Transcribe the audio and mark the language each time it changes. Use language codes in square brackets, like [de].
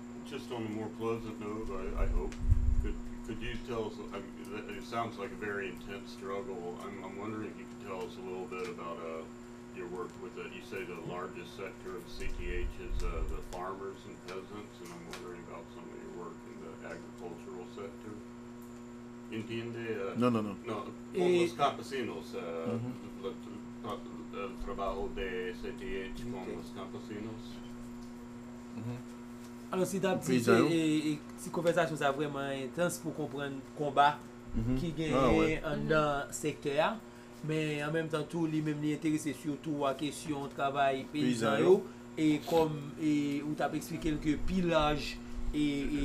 [en] Just on a more pleasant note, I hope, could you tell us, it sounds like a very intense struggle. I'm wondering if you could tell us a little bit about your work with it. You say the largest sector of CTH is the farmers and peasants, and I'm wondering about some of your work in the agricultural sector. [es] Entiende? No. No, con los campesinos, el trabajo de CTH con los campesinos. [fr] Alors, si tu as dit que cette conversation est vraiment intense pour comprendre le combat qui est dans ce secteur, mais en même temps, tout le monde est intéressé surtout à la question du travail paysan. Et comme tu as expliqué que le pillage et